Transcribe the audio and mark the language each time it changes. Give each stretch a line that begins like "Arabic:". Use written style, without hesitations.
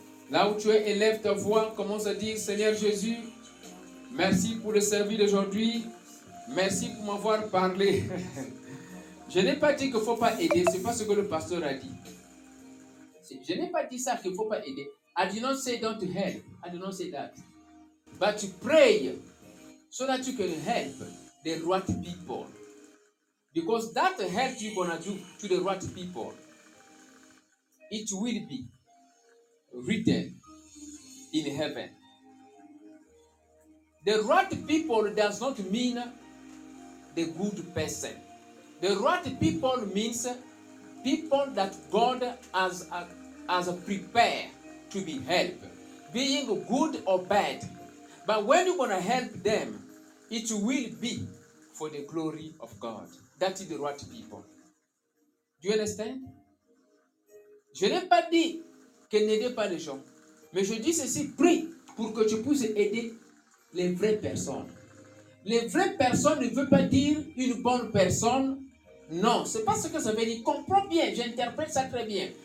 French: Là où tu es, élève ta voix, commence à dire, Seigneur Jésus, merci pour le service d'aujourd'hui. Merci pour m'avoir parlé. Je n'ai pas dit qu'il ne faut pas aider, ce n'est pas ce que le pasteur a dit. Je n'ai pas dit ça, qu'il ne faut pas aider.
English: I did not say don't help. I did not say that. But to pray so that you can help the right people. Because that help you're going to do to the right people, it will be written in heaven. The right people does not mean the good person. The right people means people that God has prepared to be helped, being good or bad. But when you're going to help them, it will be for the glory of God. That is the right people. Do you understand?
French: Je n'ai pas dit que n'aidez pas les gens, mais je dis ceci, prie pour que tu puisses aider les vraies personnes. Les vraies personnes ne veulent pas dire une bonne personne. Non, c'est pas ce que ça veut dire. Comprends bien, j'interprète ça très bien.